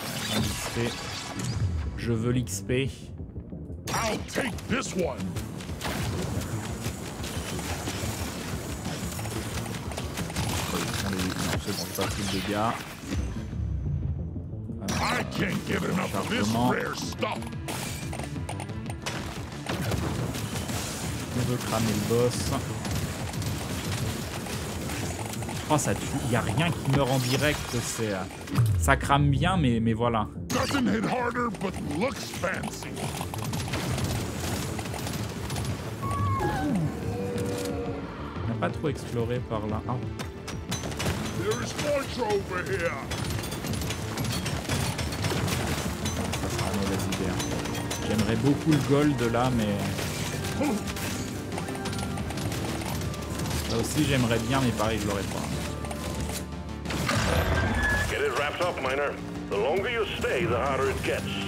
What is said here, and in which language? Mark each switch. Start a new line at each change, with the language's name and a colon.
French: XP. Je veux l'XP.
English: I'll take this one.
French: Allez, non, c'est bon, ça fait des dégâts.
English: I can't get enough of this rare stuff.
French: On veut cramer le boss. Oh, ça tue. Y a rien qui meurt en direct. C'est, ça crame bien, mais voilà.
English: Doesn't hit harder, but looks fancy.
French: On n'a pas trop exploré par là. Oh.
English: There is torch over here.
French: Ça sera une mauvaise idée. J'aimerais beaucoup le gold là, mais. Ça aussi, j'aimerais bien, mais pareil, je l'aurais pas.
English: Get it wrapped up, miner. The longer you stay, the harder it gets.